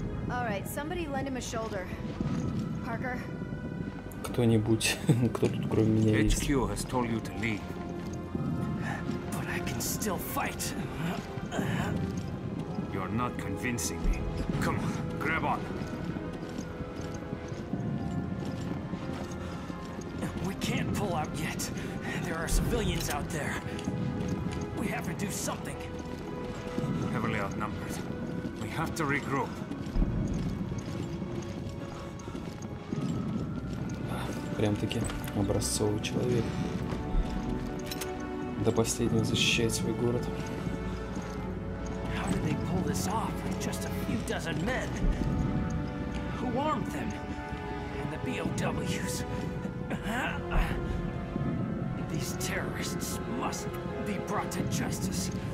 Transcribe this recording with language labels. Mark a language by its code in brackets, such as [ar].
[en] All right, somebody lend him a shoulder. Parker. [ru] Кто-нибудь, кто тут кроме меня есть? [en] HQ has told you to leave. But I can still fight. You're not convincing me. Come on, grab on. We can't pull out yet. There are civilians out there. We have to do something. Heavily outnumbered. We have to regroup. [ru] Прям-таки образцовый человек. До последнего защищает свой город. [en] How did they pull this off? Just a few dozen men. Who armed them? And the BOWs. These terrorists must be brought to justice.